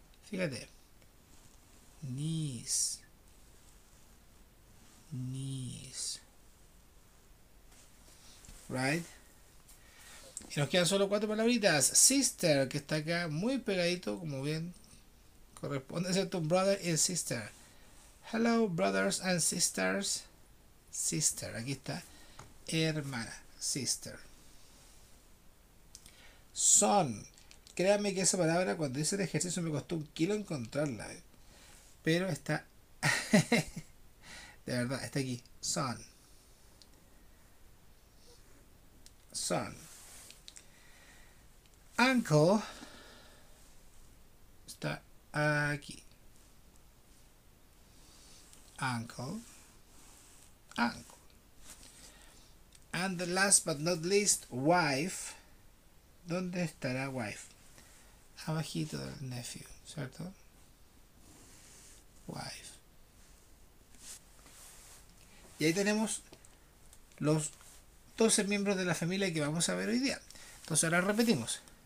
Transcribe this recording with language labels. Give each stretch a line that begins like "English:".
Spanish: Fíjate. Niece.
English: Niece. Right.
Spanish: Y nos quedan solo cuatro palabritas. Sister, que está acá muy pegadito, como bien corresponde, ¿cierto?
English: Brother y sister. Hello, brothers and sisters.
Spanish: Sister, aquí está. Hermana, sister.
English: Son.
Spanish: Créanme que esa palabra, cuando hice el ejercicio, me costó un kilo encontrarla. Pero está. De verdad, está aquí. Son.
English: Son.
Spanish: Uncle está aquí.
English: Uncle. Uncle. And the last but not least, wife.
Spanish: ¿Dónde estará wife? Abajito del nephew, ¿cierto? Wife. Y ahí tenemos los 12 miembros de la familia que vamos a ver hoy día. Entonces ahora repetimos.